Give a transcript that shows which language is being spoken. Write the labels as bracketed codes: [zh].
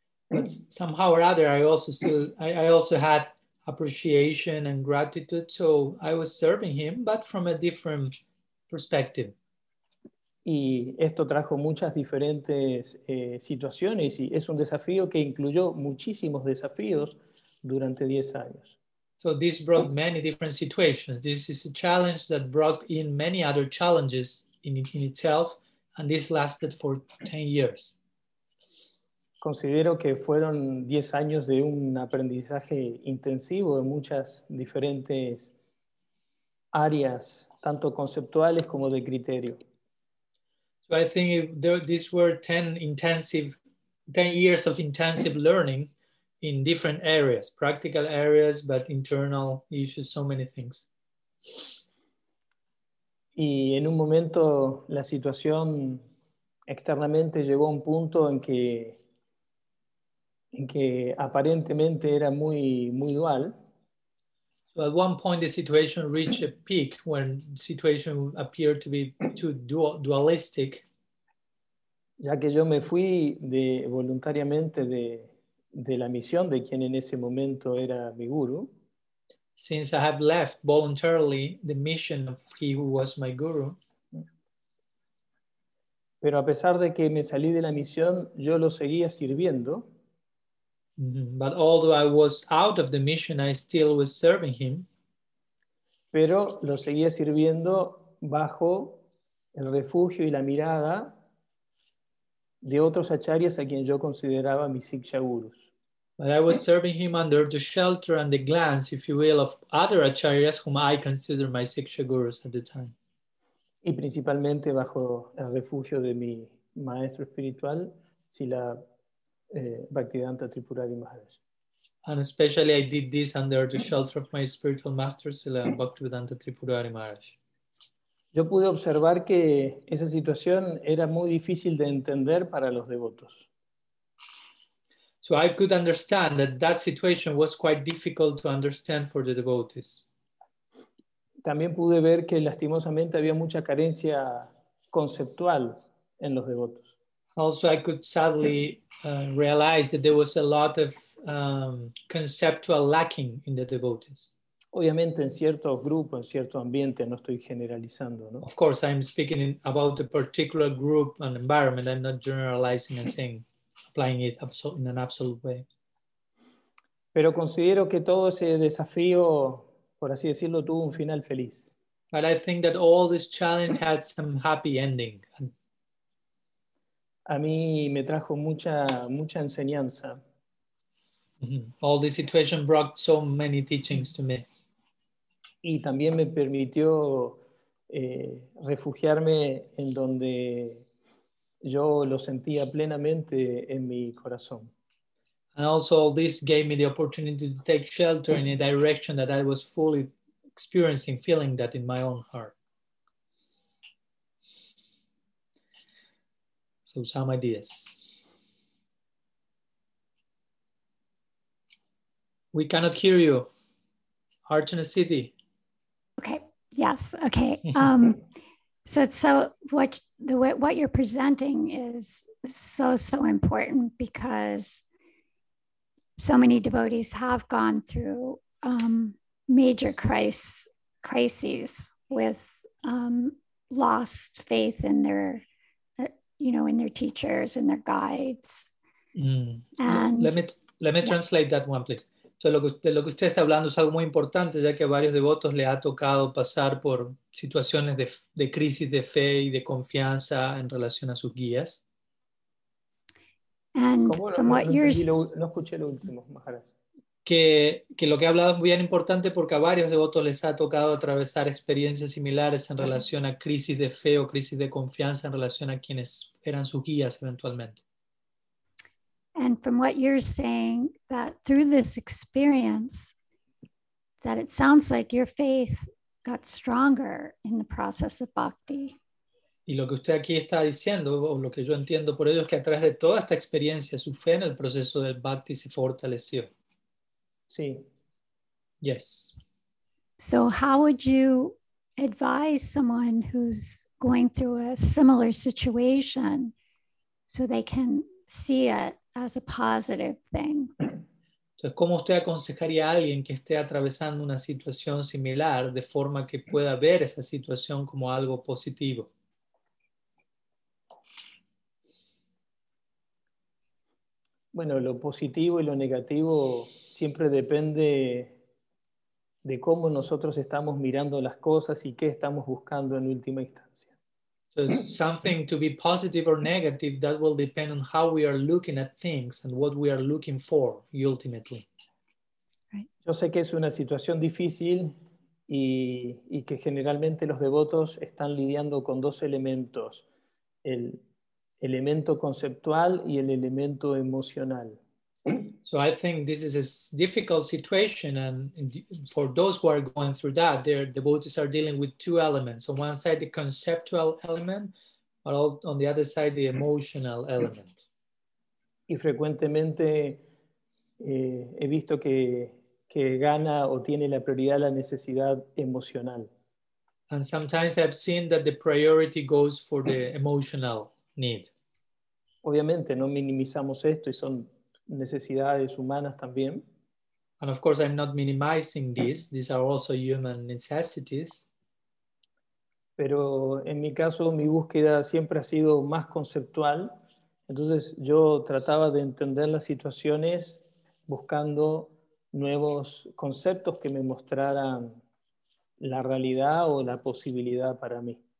[en] But somehow or other, I also had appreciation and gratitude, so I was serving him, but from a different perspective. [es] Y esto trajo muchas diferentes situaciones, y es un desafío que incluyó muchísimos desafíos durante 10 años. [en] So this brought many different situations. This is a challenge that brought in many other challenges in itself, and this lasted for 10 years. [es] Considero que fueron 10 años de un aprendizaje intensivo en muchas diferentes áreas, tanto conceptuales como de criterio. [en] So I think these were 10 years of intensive learning in different areas, practical areas, but internal issues, so many things. [es] Y en un momento la situación externamente llegó a un punto en que aparentemente era muy muy dual. [en] So at one point the situation reached a peak when situation appeared to be too dualistic. [es] Ya que yo me fui voluntariamente de la misión de quien en ese momento era mi guru. [en] Since I have left voluntarily the mission of he who was my guru. [es] Pero a pesar de que me salí de la misión, yo lo seguía sirviendo. [en] But although I was out of the mission, I still was serving him. [es] Pero lo seguía sirviendo bajo el refugio y la mirada de otros acharyas a quien yo consideraba mis siksha gurus. [en] But I was serving him under the shelter and the glance, if you will, of other acharyas whom I consider my siksha gurus at the time. [es] Y principalmente bajo el refugio de mi maestro espiritual, Sila Bhaktivedanta Tripurari Maharaj. [en] And especially I did this under the shelter of my spiritual master, Sila Bhaktivedanta Tripurari Maharaj. [es] Yo pude observar que esa situación era muy difícil de entender para los devotos. [en] So I could understand that situation was quite difficult to understand for the devotees. [es] También pude ver que lastimosamente había mucha carencia conceptual en los devotos. [en] Also I could sadly realize that there was a lot of conceptual lacking in the devotees. [es] Obviamente en cierto grupo, en cierto ambiente, no estoy generalizando, ¿no? [en] Of course I'm speaking about a particular group and environment. I'm not generalizing and saying applying it in an absolute way. [es] Pero considero que todo ese desafío, por así decirlo, tuvo un final feliz. [en] But I think that all this challenge had some happy ending. [es] A mí me trajo mucha enseñanza. Mm-hmm. [en] All this situation brought so many teachings to me. [es] Y también me permitió refugiarme en donde yo lo sentía plenamente en mi corazón. [en] And also this gave me the opportunity to take shelter in a direction that I was fully experiencing, feeling that in my own heart. So some ideas. We cannot hear you. Archana City. Okay. Yes. Okay. So what you're presenting is so, so important, because so many devotees have gone through major crises with lost faith in their, you know, in their teachers and their guides. And let me translate that one, please. [es] Entonces, lo que usted está hablando es algo muy importante, ya que a varios devotos le ha tocado pasar por situaciones de crisis de fe y de confianza en relación a sus guías. [en] And from what you're saying, [es] no escuché lo último, Maharaj. Que lo que ha hablado es muy bien importante, porque a varios devotos les ha tocado atravesar experiencias similares en relación a crisis de fe o crisis de confianza en relación a quienes eran sus guías eventualmente. [en] And from what you're saying, that through this experience, that it sounds like your faith got stronger in the process of bhakti. [es] Y lo que usted aquí está diciendo, o lo que yo entiendo por ello, es que a través de toda esta experiencia, su fe en el proceso del bhakti se fortaleció. Sí. [en] Yes. So how would you advise someone who's going through a similar situation so they can see it as a positive thing? [es] Entonces, ¿cómo usted aconsejaría a alguien que esté atravesando una situación similar de forma que pueda ver esa situación como algo positivo? Bueno, lo positivo y lo negativo siempre depende de cómo nosotros estamos mirando las cosas y qué estamos buscando en última instancia. [en] So something to be positive or negative, that will depend on how we are looking at things and what we are looking for, ultimately. Right. [es] Yo sé que es una situación difícil y que generalmente los devotos están lidiando con dos elementos, el elemento conceptual y el elemento emocional. [en] So I think this is a difficult situation, and for those who are going through that, their devotees are dealing with two elements. On one side, the conceptual element, but on the other side, the emotional element. [es] Y frecuentemente he visto que gana o tiene la prioridad la necesidad emocional. [en] And sometimes I've seen that the priority goes for the emotional need. [es] Obviamente, no minimizamos esto y son necesidades humanas también. [en] And of course, I'm not minimizing this. These are also human necessities. [es] Pero en mi caso, mi búsqueda siempre ha sido más conceptual. Entonces, yo trataba de entender las situaciones buscando nuevos conceptos que me mostraran la realidad o la posibilidad para mí.